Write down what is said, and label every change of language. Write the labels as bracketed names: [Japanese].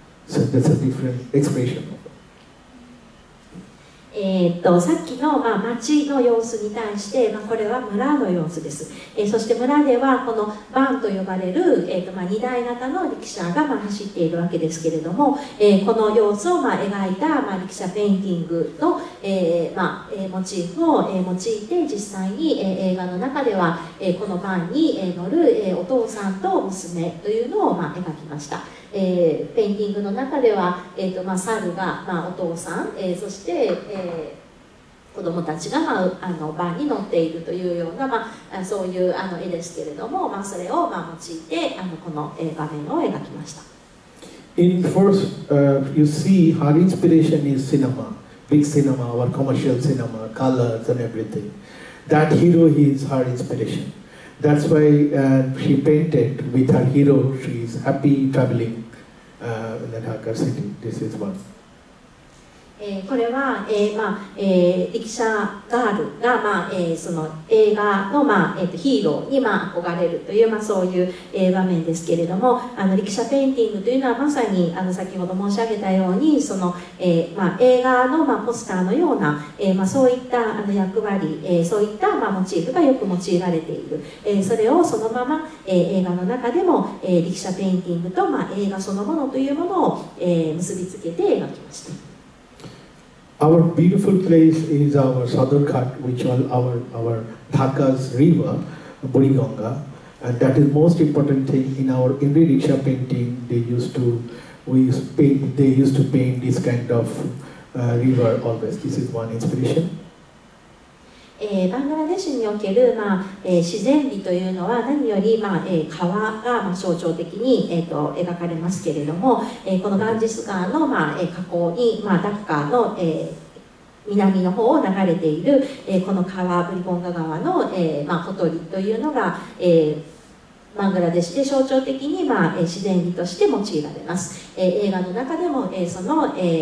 [English] So that's a different expression. [Japanese] さっきの、まあ、町の様子に対して、まあ、これは村の様子です、そして村ではこのバンと呼ばれる、まあ、2台型の力車が、まあ、走っているわけですけれども、この様子を、まあ、描いた、まあ、力車ペインティングの、まあ、モチーフを、用いて実際に、映画の中では、このバンに、乗る、お父さんと娘というのを、まあ、描きましたペインティングの中では、まあ、猿が、まあ、お父さん、そして、子供たちが、まあ、あのバンに乗っているというような、まあ、そういうあの絵ですけれども、まあ、それを、まあ、用いてあのこの、場面を描きました。 [English] In first, you see her inspiration is cinema, big cinema, our commercial cinema, colors and everything. That hero is her inspiration. That's why she painted with her hero. She's happy traveling in the Dhaka city. This is one. [Japanese] これは、まあ、力車ガールが、まあ、その映画の、まあ、ヒーローに、まあ、憧れるという、まあ、そういう、場面ですけれども、あの力車ペインティングというのはまさにあの先ほど申し上げたようにその、まあ、映画の、まあ、ポスターのような、まあ、そういったあの役割、そういった、まあ、モチーフがよく用いられている、それをそのまま、映画の中でも、力車ペインティングと、まあ、映画そのものというものを、結びつけて描きました。 [English] Our beautiful place is our Sadarghat, which is our Dhaka's river, Buriganga. And that is most important thing in our Indian Riksha painting. They used to paint this kind of river always. This is one inspiration. [Japanese] バングラデシュにおける、まあ自然美というのは何より、まあ川が、まあ、象徴的に、描かれますけれども、このガンジス川の、まあ河口に、まあ、ダッカーの、南の方を流れている、この川ブリゴンガ川の、まあ、ほとりというのが、バングラデシュで象徴的に、まあ自然美として用いられます、映画の中でも、その、